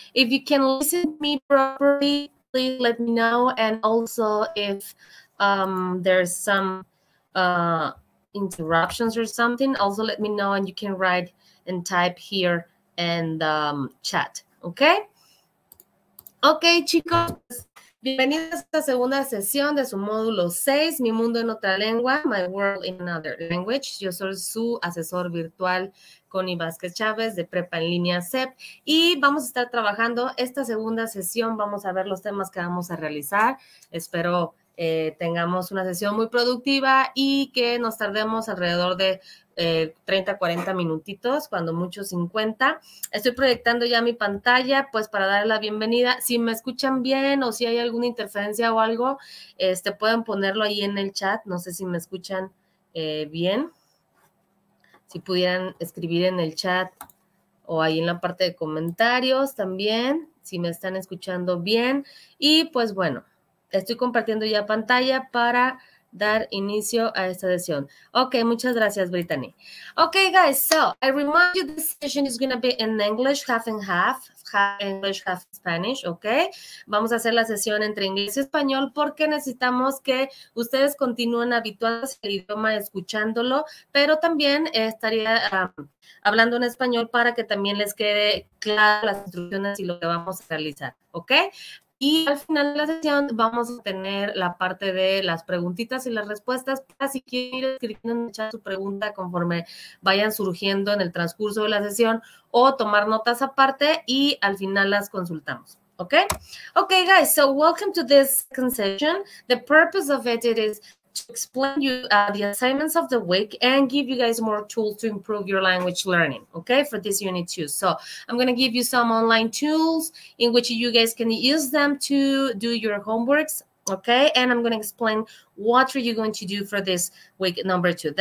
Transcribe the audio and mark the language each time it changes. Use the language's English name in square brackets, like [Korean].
[English] If you can listen to me properly, please let me know. And also if there's some interruptions or something, also let me know and you can write and type here in the chat, okay? [Spanish] Okay, chicos. Bienvenidos a esta segunda sesión de su módulo 6, Mi Mundo en Otra Lengua, [English] My World in Another Language. [Spanish] Yo soy su asesor virtual, Connie Vázquez Chávez, de Prepa en Línea CEP. Y vamos a estar trabajando esta segunda sesión. Vamos a ver los temas que vamos a realizar. Espero tengamos una sesión muy productiva y que nos tardemos alrededor de 30, 40 minutitos, cuando mucho 50. Estoy proyectando ya mi pantalla, pues, para dar la bienvenida. Si me escuchan bien o si hay alguna interferencia o algo, pueden ponerlo ahí en el chat. No sé si me escuchan bien. Si pudieran escribir en el chat o ahí en la parte de comentarios también, si me están escuchando bien. Y, pues, bueno, estoy compartiendo ya pantalla para dar inicio a esta sesión. Okay, muchas gracias, Brittany. [English] Okay, guys, so I remind you this session is going to be in English, half and half, half English, half Spanish, okay? [Spanish] Vamos a hacer la sesión entre inglés y español porque necesitamos que ustedes continúen habituados al idioma escuchándolo, pero también estaría hablando en español para que también les quede claro las instrucciones y lo que vamos a realizar, okay? Y al final de la sesión vamos a tener la parte de las preguntitas y las respuestas. Si quieren ir escribiendo en el chat su pregunta conforme vayan surgiendo en el transcurso de la sesión o tomar notas aparte y al final las consultamos. [English] Okay? Okay, guys, so welcome to this second session. The purpose of it is to explain you the assignments of the week and give you guys more tools to improve your language learning, okay, for this unit too. So I'm going to give you some online tools in which you guys can use them to do your homeworks, okay, and I'm going to explain what are you going to do for this week number two.